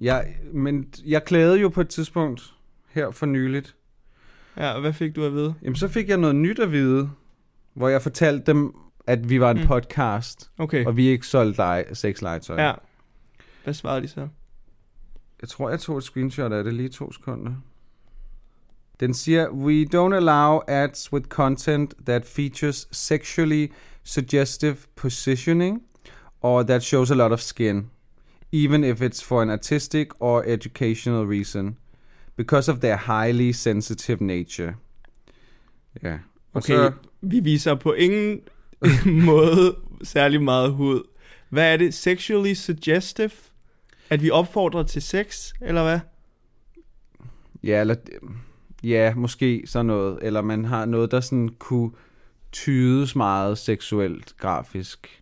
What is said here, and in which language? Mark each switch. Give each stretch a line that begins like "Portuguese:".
Danish: Jeg klagede jo på et tidspunkt her for nyligt. Ja, og hvad fik du at vide? Jamen, så fik jeg noget nyt at vide, hvor jeg fortalte dem, at vi var en podcast, okay, og vi ikke solgte sexlegetøj. Ja. Hvad svarede de så? Jeg tror, jeg tog et screenshot af det lige 2 sekunder.
English: Den siger, we don't allow ads with content that features sexually suggestive positioning or that shows a lot of skin, even if it's for an artistic or educational reason, because of their highly sensitive nature.
Danish: Ja. Og okay, så, vi viser på ingen måde særlig meget hud. Hvad er det?
English: Sexually suggestive?
Danish: At vi opfordrer til sex, eller hvad? Ja, eller ja, måske sådan noget. Eller man har noget, der sådan kunne tydes meget seksuelt, grafisk.